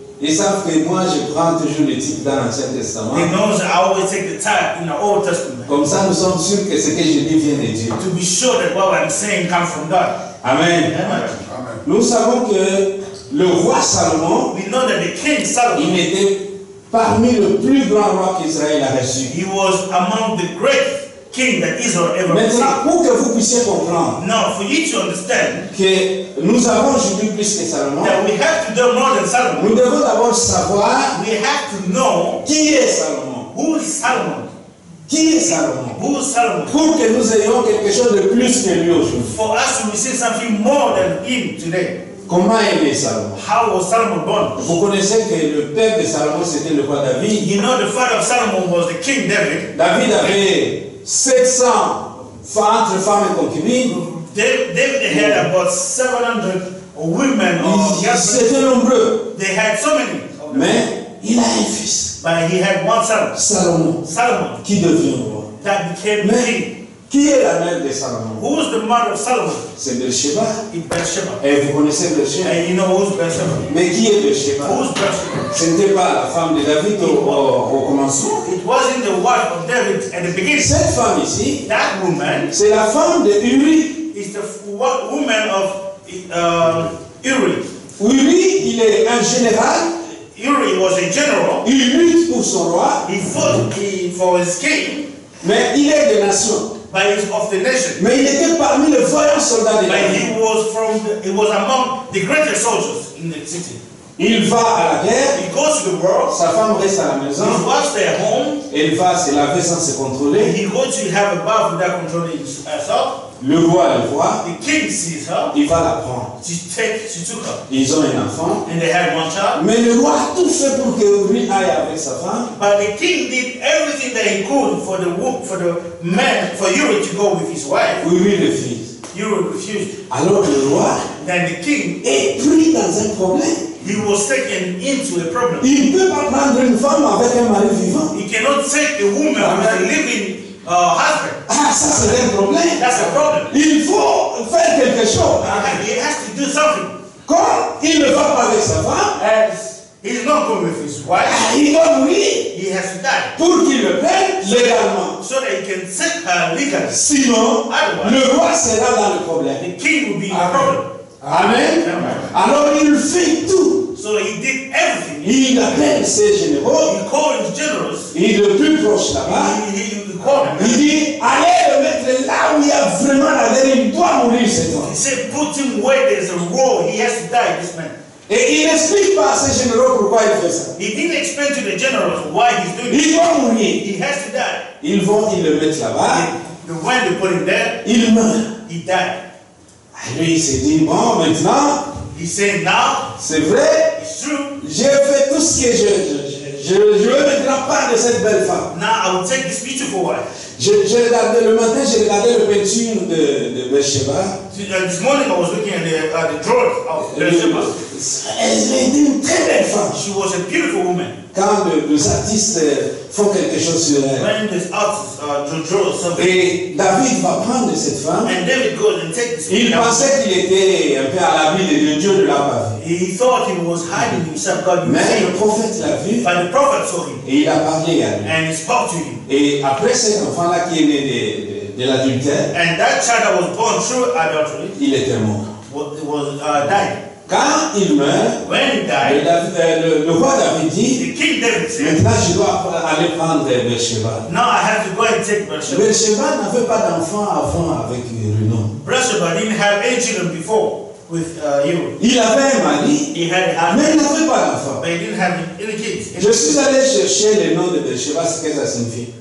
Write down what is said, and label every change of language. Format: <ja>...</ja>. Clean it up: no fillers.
<fr>ils savent que moi, je prends toujours les titres dans l'Ancien Testament.</fr> <en>They know that I always take the type in the Old Testament.</en> <fr>Comme ça, nous sommes sûrs que ce que je dis vient de Dieu.</fr> <en>To be sure that what I'm saying comes from God. Amen. Amen.</en> <fr>Nous savons que le roi Salomon,</fr> <en>we know that the king Salomon,</en> <fr>il était parmi le plus grand roi qu'Israël a reçu.</fr> <en>He was among the great king that Israel ever</en> <fr>Maintenant, pour que vous puissiez comprendre</fr> <en>Now, for you to understand</en> <fr>que nous avons aujourd'hui plus que Salomon,</fr> <en>that we have to do more than Salomon,</en> <fr>nous devons d'abord savoir</fr> <en>we have to know</en> <fr>qui est Salomon.</fr> <en>Who is Salomon?</en> <fr>Qui est Salomon?</fr> <en>Who is Salomon?</en> <fr>Pour que nous ayons quelque chose de plus que lui aujourd'hui.</fr> <en>For us to receive something more than him today.</en> <fr>Comment est né Salomon?</fr> <en>How was Salomon born?</en> <fr>Vous connaissez que le père de Salomon c'était le roi David.</fr> <en>You know the father of Salomon was the king David.</en> <fr>David avait 700 femmes, entre femmes et concubines.</fr> <en>David had about 700 women or girls.</en> <fr>C'était nombreux.</fr> <en>They had so many.</en> <fr>Mais il a un fils.</fr> <en>But he had one son. Salomon. Salomon.</en> <fr>Qui devient roi?</fr> <en>That became</en> <fr>Mais,</fr> <en>king.</en> <fr>Qui est la mère de Salomon?</fr> <en>Who is the mother of Solomon?</en> <fr>C'est Bathsheba. Bathsheba. Et vous connaissez Bathsheba?</fr> <en>And you know who is Bathsheba?</en> <fr>Mais qui est Bathsheba?</fr> <en>Who is Bathsheba?</en> <fr>Ce n'était pas la femme de David au commencement.</fr> <en>It wasn't the wife of David at the beginning.</en> <fr>Cette femme ici,</fr> <en>that woman,</en> <fr>c'est la femme de Uri.</fr> <en>Is the woman of Uri.</en> <fr>Uri, il est un général.</fr> <en>Uri was a general.</en> <fr>Il lutte pour son roi.</fr> <en>He fought for his king.</en> <fr>Mais il est de nation.</fr> <en>By his of the nation.</en> <fr>Mais il était parmi les vaillants soldats de la ville.</fr> <en>But he was from the, he was among the greatest soldiers in the city.</en> <fr>Il va à la guerre.</fr> <en>He goes to the war.</en> <fr>Sa femme reste à la maison.</fr> <en>His wife stays home.</en> <fr>Et il va se laver sans se contrôler.</fr> <en>He goes to have a bath without controlling himself.</en> <fr>Le roi le voit.</fr> <en>The king sees her.</en> <fr>Il va la prendre.</fr> <en>She took her.</en> <fr>Ils ont un enfant.</fr> <en>And they have one child.</en> <fr>Mais le roi a tout fait pour que Uri aille avec sa femme.</fr> <en>But the king did everything that he could for Uri to go with his wife. Uri refused. Uri refused.</en> <fr>Alors le roi.</fr> <en>Then the king</en> <fr>est pris dans un problème.</fr> <en>He was taken into a problem.</en> <fr>Il ne peut pas prendre une femme avec un mari vivant.</fr> <en>He cannot take a woman with a living husband.</en> <fr>Ah, ça c'est un problème.</fr> <en>That's a problem.</en> <fr>Il faut faire quelque chose.</fr> <en>He has to do something.</en> <fr>Quand il ne va pas avec sa femme,</fr> <en>he's not going with his wife.</en> <fr>Ah, il va mourir.</fr> <en>He has to die.</en> <fr>Pour qu'il le paie légalement.</fr> <en>So that he can set her legally.</en> <fr>Sinon,</fr> <en>otherwise,</en> <fr>le roi sera dans le problème.</fr> <en>The king will be in a problem. Amen. Amen.</en> <fr>Alors il fit tout.</fr> <en>So he did everything.</en> <fr>Il appelle ses généraux.</fr> <en>He called his generals.</en> <fr>Il le plus proche là-bas.</fr> <en>He</en> <fr>dit, allez le mettre là où il y a vraiment la guerre. Il doit mourir cet homme.</fr> <en>He said, put him where there's a war. He has to die, this man.</en> <fr>Et il n'explique pas à ses généraux pourquoi il fait ça.</fr> <en>He didn't explain to the generals why he's doing it.</en> <fr>Il doit mourir.</fr> <en>He has to die.</en> <fr>Ils vont, ils le mettent là-bas.</fr> <en>The when they put him there,</en> <fr>il meurt.</fr> <en>He died.</en> <fr>Lui, il s'est dit, bon, maintenant,</fr> <en>he said, now,</en> <fr>c'est vrai,</fr> <en>it's true.</en> <fr>J'ai fait tout ce que je veux maintenant parler de cette belle femme.</fr> <en>Now, I will take this beautiful wife.</en> <fr>Je regardais le matin, j'ai regardé le peinture de Bathsheba.</fr> <en>This morning, I was looking at the drawing of Bathsheba.</en> <fr>Elle était une très belle femme.</fr> <en>She was a beautiful woman.</en> <fr>Quand les artistes font quelque chose sur elle.</fr> <en>When the artists draw something.</en> <fr>Et David va prendre cette femme.</fr> <en>And David goes and takes this.</en> <fr>Il pensait qu'il était un peu à l'abri de Dieu de là-bas.</fr> <en>He thought he was hiding himself. God.</en> <fr>Mais le prophète l'a vu.</fr> <en>But the prophet saw him.</en> <fr>Et il a parlé à lui.</fr> <en>And he spoke to him.</en> <fr>Et après cet enfant-là qui est né de l'adultère.</fr> <en>And that child that was born through adultery.</en> <fr>Il était mort.</fr> <en>Died.</en> <fr>Quand il meurt,</fr> <en>when he died,</en> <fr>le roi David dit,</fr> <en>the king David said,</en> <fr>maintenant je dois aller prendre Bathsheba.</fr> <en>Now I have to go and take Bathsheba.</en> <fr>Bathsheba n'avait pas d'enfant avant avec Uri.</fr> <en>Bathsheba didn't have any children before with Uri.</en> <fr>Il avait un mari,</fr> <en>he had a husband,</en> <fr>mais il n'avait pas d'enfant.</fr> <en>But he didn't have any kids.</en> <fr>Je suis allé chercher le nom de Bathsheba, ce que ça signifie.</fr>